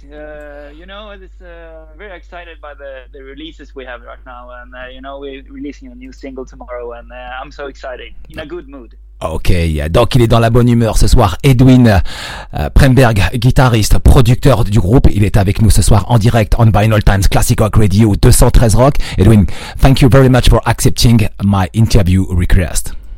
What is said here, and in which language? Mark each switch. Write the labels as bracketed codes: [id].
[en] You know, it's very excited by the releases we have right now, and you know, we're releasing a new single tomorrow, and I'm so excited, in a good mood. [fr] Ok, donc il est dans la bonne humeur ce soir, Edwin Pernberg, guitariste, producteur du groupe. Il est avec nous ce soir en direct on Vinyl Times Classic Rock Radio 213 Rock. [en] Edwin, thank you very much for accepting my interview request.